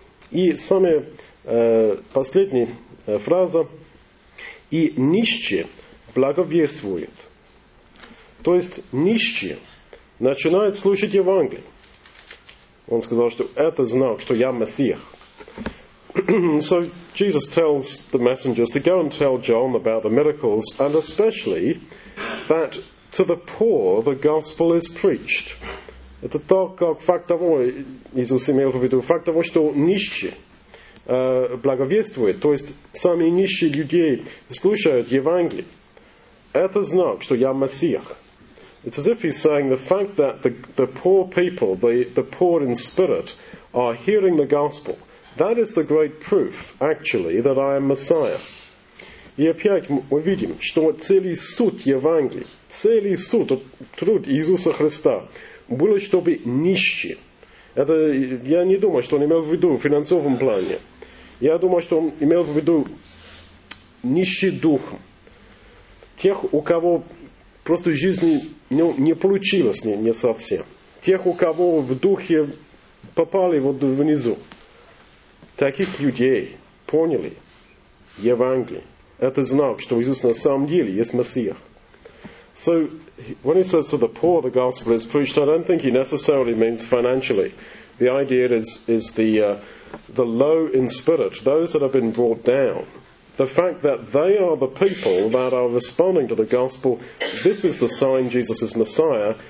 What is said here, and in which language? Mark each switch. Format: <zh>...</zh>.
<ru>И самая последняя фраза, и нищие благовествуют. То есть нищие начинают слушать Евангелие. Он сказал, что это знак, что я Мессия.</ru> <en>So Jesus tells the messengers to go and tell John about the miracles, and especially that to the poor the gospel is preached.</en> <ru>Это так, как факт того, Иисус имел в виду, факт того, что нищие благовествуют, то есть сами нищие люди слушают Евангелие. Это знак, что я Мессия.</ru> <en>It's as if he's saying the fact that the poor people, the poor in spirit, are hearing the gospel. That is the great proof, actually, that I am Messiah.</en> <ru>И опять мы видим, что целый суть Евангелия, целый суть, труд Иисуса Христа, было, чтобы нищие. Это, я не думаю, что он имел в виду в финансовом плане. Я думаю, что он имел в виду нищий дух. Тех, у кого просто жизни не получилось не совсем. Тех, у кого в духе попали вот внизу. Таких людей поняли Евангелие. Это знак, что Иисус на самом деле есть Мессия.</ru> <en>So, when he says to the poor the gospel is preached, I don't think he necessarily means financially. The idea is the low in spirit, those that have been brought down. The fact that they are the people that are responding to the gospel, this is the sign Jesus is Messiah.</en>